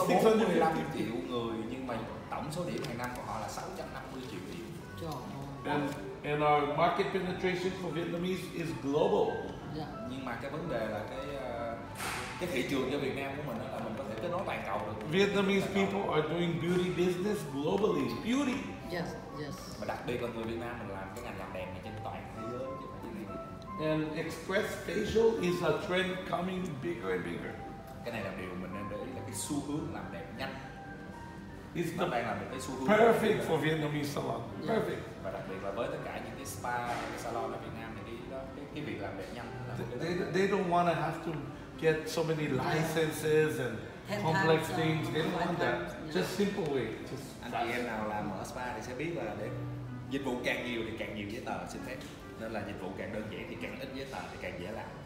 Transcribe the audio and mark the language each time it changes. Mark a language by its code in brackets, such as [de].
[vi] 615 triệu người, nhưng mà tổng số điểm hàng năm của họ là 650 triệu điểm. [en] And our market penetration for Vietnamese is global. Yeah. [vi] Nhưng mà cái vấn đề là cái thị trường cho Việt Nam của mình là mình có thể kết nối toàn cầu được. [en] Vietnamese people are doing beauty business globally. Beauty. Yes, yes. [vi] Và đặc biệt là người Việt Nam mình làm cái ngành làm đèn này trên toàn thế giới. [en] And express facial is a trend coming bigger and bigger. [vi] Cái này là điều mình nên để ý, là cái xu hướng làm đẹp nhanh. [en] It's the perfect for Vietnamese salon. Yeah. Perfect. [vi] Và đặc biệt là với tất cả những cái spa, những cái salon ở Việt Nam thì cái việc làm đẹp nhanh là [en] they don't want to have to get so many licenses and complex things. They don't want that. Just simple way. [vi] Anh chị em nào làm ở spa thì sẽ biết là để dịch vụ càng nhiều thì càng nhiều giấy tờ xin phép. Nên là dịch vụ càng đơn giản thì càng ít giấy tờ thì càng dễ làm.